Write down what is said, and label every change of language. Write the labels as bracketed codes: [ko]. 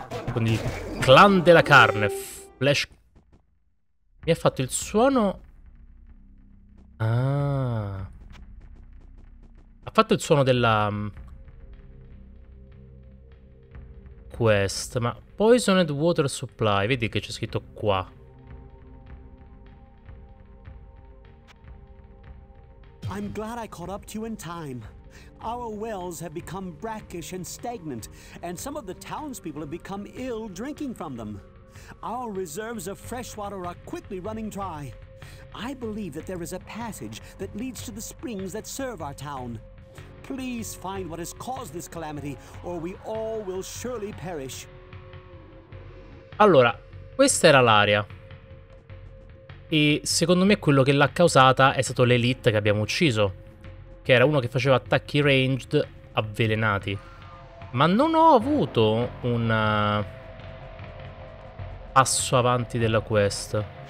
[it] Con il clan della carne. Flash. Mi ha fatto il suono... Ah... Ha fatto il suono della quest, ma Poisoned Water Supply, vedi che c'è scritto qua. [en] I'm glad I caught up to you in time. Our wells have become brackish and stagnant, and some of the townspeople have become ill drinking from them. Our reserves of fresh water are quickly running dry. I believe that there is a passage that leads to the springs that serve our town. Please find what has caused this calamity, or we all will surely perish. [it] Allora, questa era l'area. E secondo me quello che l'ha causata è stato l'elite che abbiamo ucciso. Che era uno che faceva attacchi ranged avvelenati. Ma non ho avuto un passo avanti della quest.